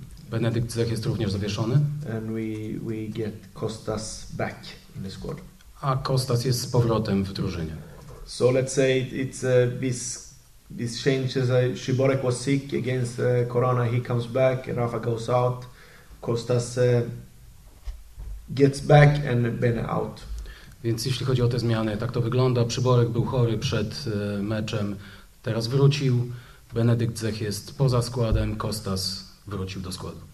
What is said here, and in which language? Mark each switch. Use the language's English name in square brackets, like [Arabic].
[Polish] Benedikt Zek jest również zawieszony. [English] And we get Kostas back in the squad. [Polish] A Kostas jest z powrotem w drużynie. [English] So let's say it's this change is Szyborek was sick against Corona, he comes back, Rafa goes out, Kostas gets back and Ben out. [Polish] Więc jeśli chodzi o te zmiany, tak to wygląda. Przyborek był chory przed meczem, teraz wrócił. Benedikt Zech jest poza składem, Kostas wrócił do składu.